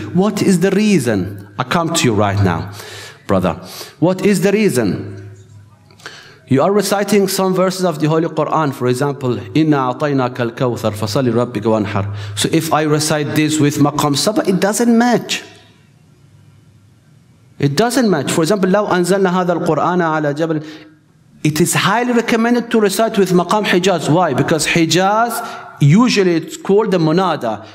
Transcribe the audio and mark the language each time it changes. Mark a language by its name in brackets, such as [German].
[English] What is the reason? I come to you right now, brother. What is the reason? You are reciting some verses of the Holy Quran, for example, [Arabic] Inna a'tainaka al-kawthar fasalli rabbika wanhar. [English] So if I recite this with maqam saba, it doesn't match. It doesn't match. For example, [Arabic] لو أنزلنا هذا القرآن على جبل. [English] It is highly recommended to recite with maqam hijaz. Why? Because hijaz, usually it's called the munada.